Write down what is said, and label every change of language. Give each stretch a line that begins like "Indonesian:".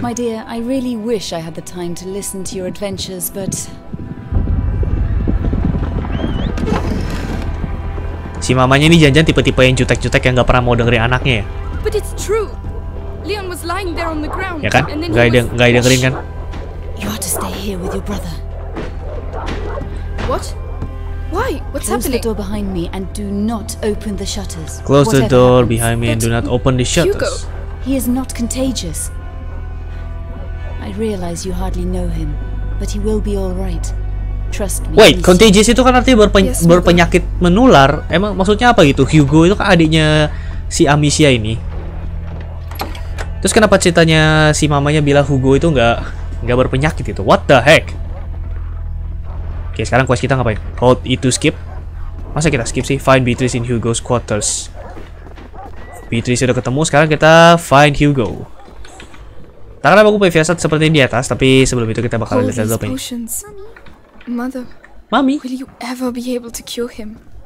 English: My dear, I really wish I had the time to listen to your adventures, but...
Indonesian: Si mamanya ini janjian tipe-tipe yang jutek-jutek yang gak pernah mau dengerin anaknya ya.
English: But it's true. Leon was lying there on the ground.
Indonesian: Ya kan? Gak dengerin kan?
English: You have to stay here with your brother. What? Why? What's close happening? The door behind me and do not open the shutters. Close the door behind me and do not open the shutters. Hugo, he is not contagious. I realize you hardly know him, but he will be all right. Trust me. Wait, contagious
Indonesian: itu kan artinya berpenyakit menular. Emang maksudnya apa gitu? Hugo itu kan adiknya si Amicia ini. Terus kenapa ceritanya si mamanya bilang Hugo itu enggak berpenyakit itu?
English: What the heck?
Indonesian: Oke, sekarang quest kita ngapain?
English: Hold E to skip.
Indonesian: Masa kita skip sih?
English: Find Beatrice in Hugo's quarters.
Indonesian: Beatrice sudah ketemu, sekarang kita
English: find Hugo.
Indonesian: Tangan aku punya firasat seperti di atas, tapi sebelum itu kita bakal lihat dulu apa ini.
English: Mother,
Indonesian: Mami.
English: Will you ever be able to cure him?